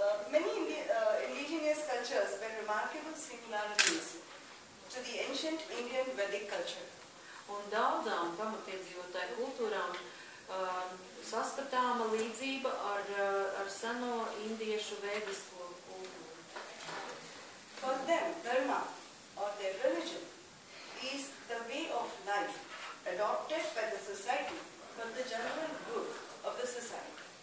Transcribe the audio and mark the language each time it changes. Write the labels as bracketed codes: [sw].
[en] Many indigenous cultures were remarkable similarities to the ancient Indian Vedic culture. [lv] Un daudzām pamatiedzīvotāju kultūrām saskatāma līdzība ar seno indiešu vēdisku. [en] For them, dharma, or their religion, is the way of life adopted by the society, for the general good of the society.